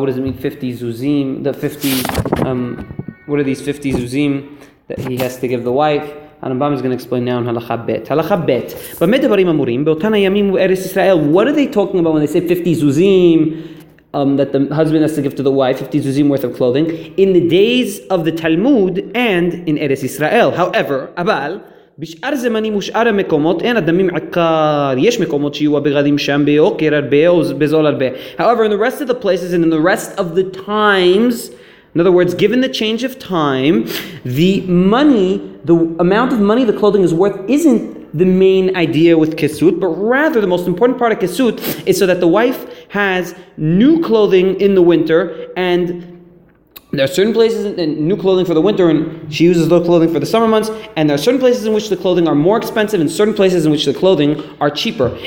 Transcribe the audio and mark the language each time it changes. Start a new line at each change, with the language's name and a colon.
English: What does it mean, 50 zuzim? The 50, what are these 50 zuzim that he has to give the wife? Hanabam is going to explain now in halacha bet. Halacha bet. What are they talking about when they say 50 zuzim that the husband has to give to the wife, 50 zuzim worth of clothing, in the days of the Talmud and in Eretz Yisrael? However,
Hebrew: abal, בשאר זמנים ושאר המקומות אין אדמים עקר. יש מקומות שיהיו הבגדים שם ביוקר הרבה או בזול הרבה.
English: However, in the rest of the places and in the rest of the times, in other words, given the change of time, the money, the amount of money the clothing is worth isn't the main idea with kesut, but rather the most important part of kesut is so that the wife has new clothing in the winter, and there are certain places in new clothing for the winter, and she uses the clothing for the summer months, and there are certain places in which the clothing are more expensive and certain places in which the clothing are cheaper.